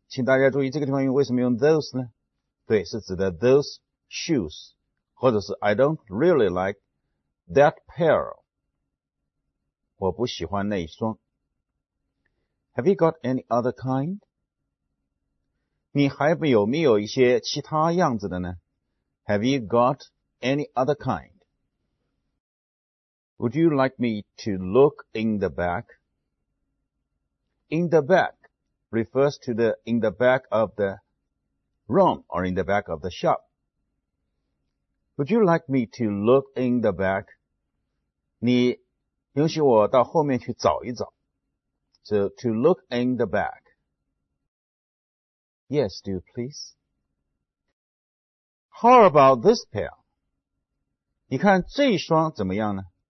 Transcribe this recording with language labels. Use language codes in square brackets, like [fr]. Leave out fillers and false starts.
[zh] 请大家注意这个地方用为什么用 those 呢？对，是指的 [en] those shoes， [zh] 或者是 [en] I don't really like that pair， [zh] 我不喜欢那一双。 [en] Have you got any other kind？ [zh] 你还有没有一些其他样子的呢 [en] ？Have you got any other kind？ Would you like me to look in the back？ In the back refers to the in the back of the。 room or in the back of the shop. Would you like me to look in the back? [zh] 你允许我到后面去找一找。 [en] So, to look in the back. Yes, do please. How about this pair? [zh] 你看这一双怎么样呢？